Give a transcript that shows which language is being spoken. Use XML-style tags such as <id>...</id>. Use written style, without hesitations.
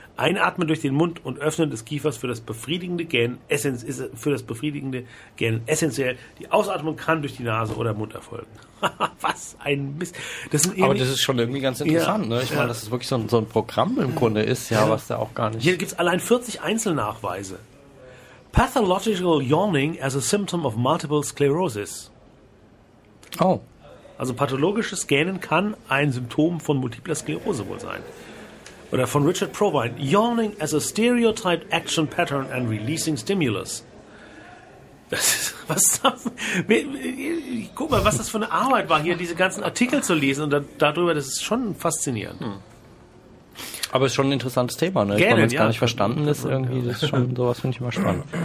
<de>Einatmen durch den Mund und Öffnen des Kiefers für das befriedigende Gähnen essentiell. Die Ausatmung kann durch die Nase oder Mund erfolgen. Was ein Mist. Das ist schon irgendwie ganz interessant. Ja. Ne? Ich meine, dass es wirklich so ein Programm im Grunde ist, was da auch gar nicht... Hier gibt es allein 40 Einzelnachweise.</de> <en>Pathological yawning as a symptom of multiple sclerosis. Oh.</en> <de>Also pathologisches Gähnen kann ein Symptom von multipler Sklerose wohl sein. Oder von Richard Provine.</de> <en>Yawning as a stereotyped action pattern and releasing stimulus.</en> <de>Guck mal, was das für eine Arbeit war, hier diese ganzen Artikel zu lesen und darüber, das ist schon faszinierend. Aber es ist schon ein interessantes Thema, ne? Wenn man es gar nicht verstanden ist, irgendwie, das ist schon sowas, finde ich immer spannend.</de>